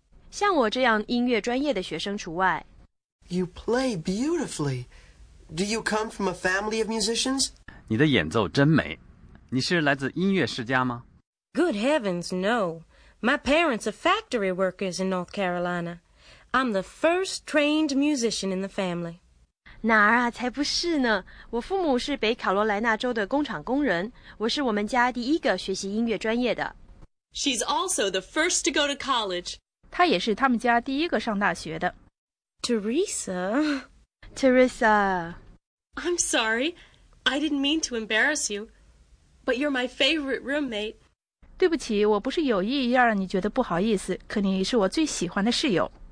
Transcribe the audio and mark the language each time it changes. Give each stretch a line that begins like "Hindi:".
Chinese: 像我这样音乐专业的学生除外。
English: You play beautifully. Do you come from a family of musicians?
Chinese: 你的演奏真美。你是来自音乐世家吗？
English: Good heavens, no. My parents are factory workers in North Carolina. I'm the first trained musician in the family.
Chinese: 哪儿啊，才不是呢。我父母是北卡罗来纳州的工厂工人，我是我们家第一个学习音乐专业的。
English: She's also the first to go to college.
Chinese: 她也是他们家第一个上大学的。
English: Teresa. Teresa. I'm sorry. I didn't mean to embarrass you. But you're my favorite roommate.
Chinese: 对不起，我不是有意要让你觉得不好意思，可你是我最喜欢的室友。